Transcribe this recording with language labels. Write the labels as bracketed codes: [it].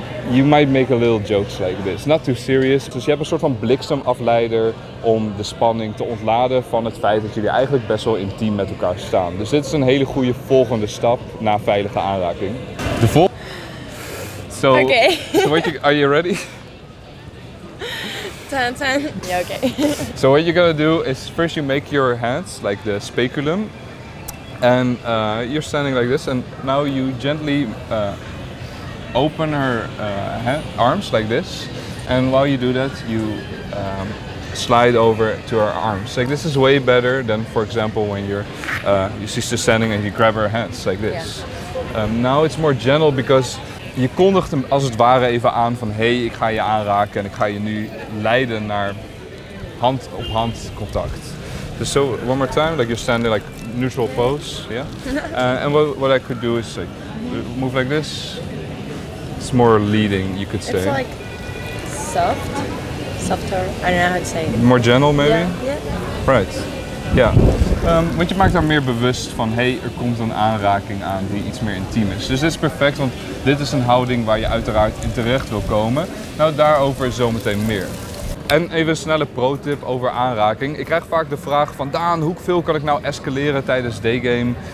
[en] You might make a little jokes like this. Not too serious. [nl] Dus je hebt een soort van bliksemafleider om de spanning te ontladen van het feit dat jullie eigenlijk best wel intiem met elkaar staan. Dus dit is een hele goede volgende stap na veilige aanraking. De volgende. So, [en] okay. So what you, are you ready? Ten, ten. Yeah, okay. So what you're gonna do is first you make your hands like the speculum. And you're standing like this and now you gently open her arms like this, and while you do that, you slide over to her arms. Like, this is way better than, for example, when you're she's just standing and you grab her hands like this. Yeah. Now it's more gentle because [nl] je kondigt hem als het ware even aan van, hey, ik ga je aanraken en ik ga je nu leiden naar hand op hand contact. [en] Dus so one more time, like you're standing like neutral pose, yeah. And what I could do is like move like this. It's more leading, you could say. It's like soft, softer. I don't know how to say it. More gentle, maybe. Yeah. Right. Yeah. [nl] Want je maakt daar meer bewust van, hey, er komt een aanraking aan die iets meer intiem is. Dus dit is perfect, want dit is een houding waar je uiteraard in terecht wil komen. Nou, daarover zometeen meer. En even een snelle pro-tip over aanraking. Ik krijg vaak de vraag van Daan, hoeveel kan ik nou escaleren tijdens daygame?